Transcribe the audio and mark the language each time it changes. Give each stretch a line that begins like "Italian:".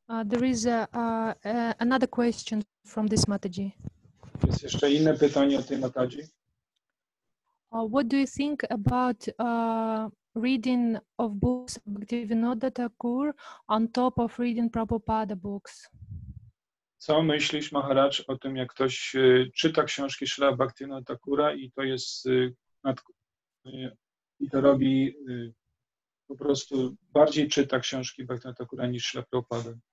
English: There is another question from this Mataji.
Polish: Jest jeszcze inne pytanie o tej Mataji.
English: What do you think about reading of books Bhaktivinoda Thakur on top of reading Prabhupada books?
Polish: Co myślisz, Maharaj, o tym, jak ktoś czyta książki Śrila Bhaktivinoda Thakura i to jest i to robi po prostu bardziej czyta książki Bhaktivinoda Thakura niż Śrila Prabhupada?